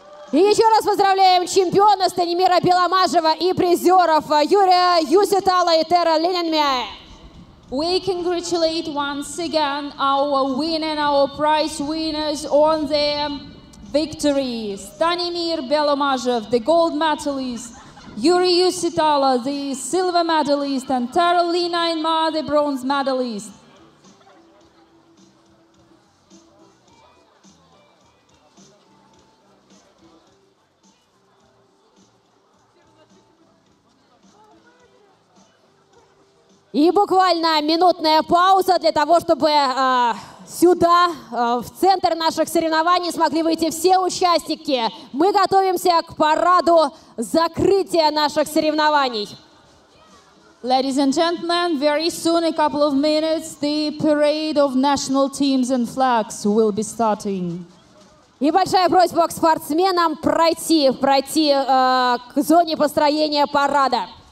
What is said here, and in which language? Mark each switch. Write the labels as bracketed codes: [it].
[ru] И еще раз поздравляем чемпиона Станимира Беломажева и призеров Юрия Юситало и Тера Линенмяе. [en] We congratulate once again our winner and our prize winners on their victory. Станимир Беломажев, the gold medalist, Юрий Юситало, the silver medalist, and Тера Линенмяе, the bronze medalist. [ru] И буквально минутная пауза для того, чтобы сюда, в центр наших соревнований, смогли выйти все участники. Мы готовимся к параду закрытия наших соревнований. [en] Ladies and gentlemen, very soon, a couple of minutes, the parade of national teams and flags will be starting. [ru] И большая просьба к спортсменам пройти к зоне построения парада.